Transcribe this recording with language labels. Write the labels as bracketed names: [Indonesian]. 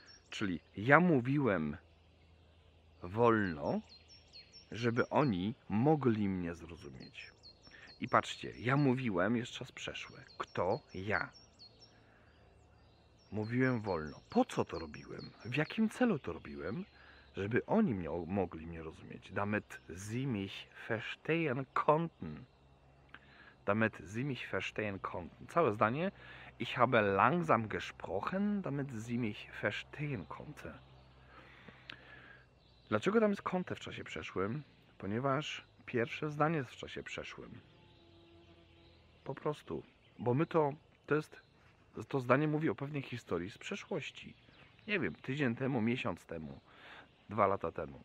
[Polish] Czyli ja mówiłem wolno, żeby oni mogli mnie zrozumieć. I patrzcie, ja mówiłem, jest czas przeszły. Kto? Ja. Mówiłem wolno. Po co to robiłem? W jakim celu to robiłem? Żeby oni mogli mnie rozumieć. [German] Damit sie mich verstehen konnten. Damit sie mich verstehen konnten. [Polish] Całe zdanie. [German] Ich habe langsam gesprochen, damit sie mich verstehen konnte. [Polish] Dlaczego tam jest konnte w czasie przeszłym? Ponieważ pierwsze zdanie jest w czasie przeszłym. Po prostu. Bo my to zdanie mówi o pewnej historii z przeszłości. Nie wiem, tydzień temu, miesiąc temu. 2 lata temu.